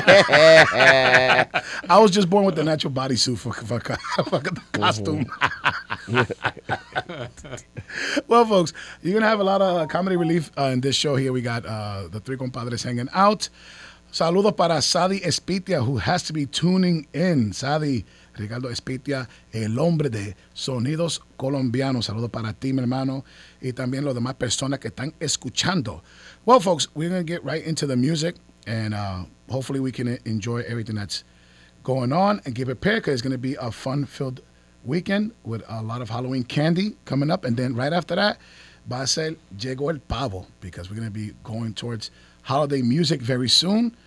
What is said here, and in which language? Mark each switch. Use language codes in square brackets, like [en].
[en] I was just born with the natural bodysuit for the costume. Well, folks, you're going to have a lot of comedy relief in this show here. We got the three compadres hanging out. [es] Saludos para [en] Sadi Espitia, who has to be tuning in. [es] Sadi, Ricardo Espitia, el hombre de sonidos colombianos. Saludos para ti, mi hermano, y también los demás personas que están escuchando. [en] Well, folks, we're going to get right into the music, and hopefully we can enjoy everything that's going on and get prepared, because it's going to be a fun-filled weekend with a lot of Halloween candy coming up. And then right after that, [es] va a ser [en] Llegó el Pavo, because we're going to be going towards holiday music very soon.